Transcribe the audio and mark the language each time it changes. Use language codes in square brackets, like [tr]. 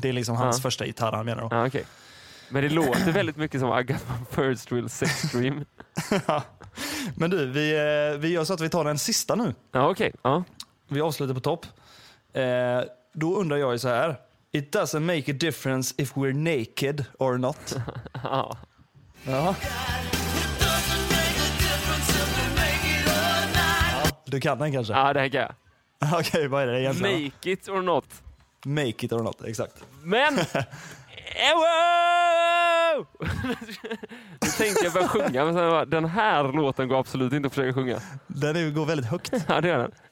[sv] Det är liksom hans första gitarr han menar då. Ja, okej. Okay. Men det låter väldigt mycket som [en] I got my first real sex dream. [sv] Ja. Men du, vi gör så att vi tar den sista nu. Ja, okej. Okay. Ja. Vi avslutar på topp. Då undrar jag ju så här. [en] It doesn't make a difference if we're naked or not. [sv] Ja. [en] It doesn't make a difference if we're naked or not. [sv] Du kan den kanske? Ja, det kan jag. Okej, vad är det egentligen? [en] Make it or not. Make it or not, exakt. [sv] Men... Wow! Nu tänkte jag börja sjunga, men sen bara, den här låten går absolut inte att försöka sjunga. Den går väldigt högt. Ja, det gör den.